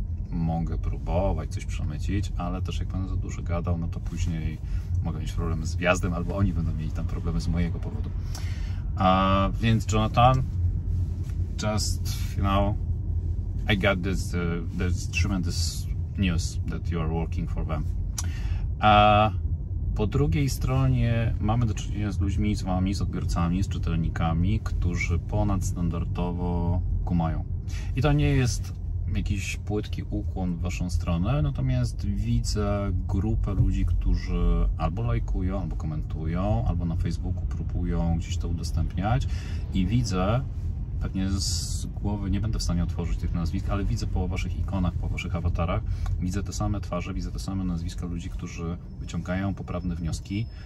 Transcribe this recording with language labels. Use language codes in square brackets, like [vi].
[pl] Mogę próbować coś przemycić, ale też jak pan za dużo gadał, no to później mogę mieć problemy z wjazdem, albo oni będą mieli tam problemy z mojego powodu. [en] Więc Jonathan, just, you know, I got this tremendous news that you are working for them. [pl] Po drugiej stronie mamy do czynienia z ludźmi, z wami, z odbiorcami, z czytelnikami, którzy ponadstandardowo kumają. I to nie jest jakiś płytki ukłon w waszą stronę, natomiast widzę grupę ludzi, którzy albo lajkują, albo komentują, albo na Facebooku próbują gdzieś to udostępniać i widzę, pewnie z głowy nie będę w stanie otworzyć tych nazwisk, ale widzę po waszych ikonach, po waszych awatarach, widzę te same twarze, widzę te same nazwiska ludzi, którzy wyciągają poprawne wnioski.